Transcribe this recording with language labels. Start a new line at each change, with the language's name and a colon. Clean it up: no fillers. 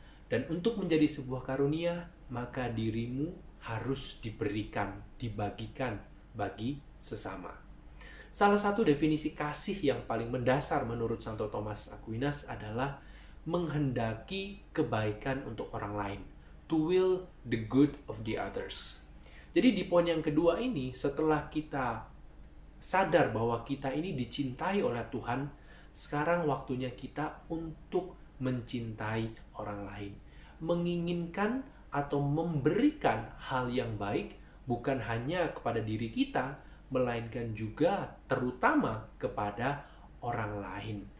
Indonesian: Dan untuk menjadi sebuah karunia, maka dirimu harus diberikan, dibagikan bagi sesama. Salah satu definisi kasih yang paling mendasar menurut Santo Thomas Aquinas adalah menghendaki kebaikan untuk orang lain.
English: To will the good of the others.
Indonesian: Jadi di poin yang kedua ini, setelah kita sadar bahwa kita ini dicintai oleh Tuhan, sekarang waktunya kita untuk mencintai orang lain. Menginginkan atau memberikan hal yang baik bukan hanya kepada diri kita, melainkan juga terutama kepada orang lain.